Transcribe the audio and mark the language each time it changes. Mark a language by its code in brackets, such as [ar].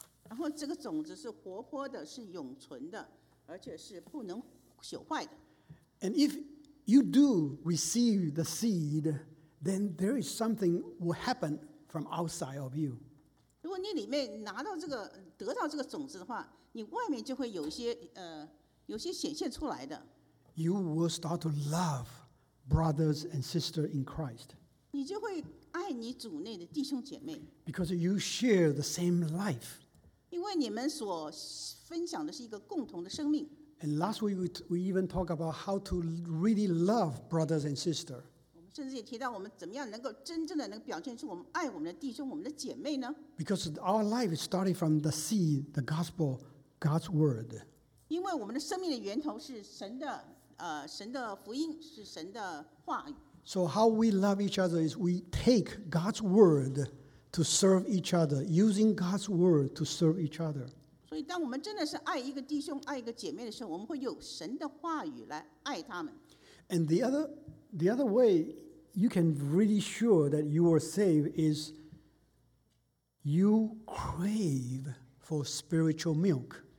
[en] And if you do receive the seed, then there is something will happen from outside of you. [zh] 如果你里面拿到这个，得到这个种子的话，你外面就会有一些，有些显现出来的。 [en] You will start to love brothers and sisters in Christ. [zh] 你就会爱你主内的弟兄姐妹。 [en] Because you share the same life. [zh] 因为你们所分享的是一个共同的生命。 [en] And last week we even talked about how to really love brothers and sisters. [zh] 我们甚至也提到我们怎么样能够真正的能表现出我们爱我们的弟兄、我们的姐妹呢？ [en] Because our life is starting from the seed, the gospel, God's word. [zh] 因为我们的生命的源头是神的神的福音，是神的话语。 [en] So how we love each other is we take God's word to serve each other, using God's word to serve each other. [zh] 所以当我们真的是爱一个弟兄、爱一个姐妹的时候，我们会用神的话语来爱他们。 [en] And the other way you can really sure that you are saved is you crave for spiritual milk.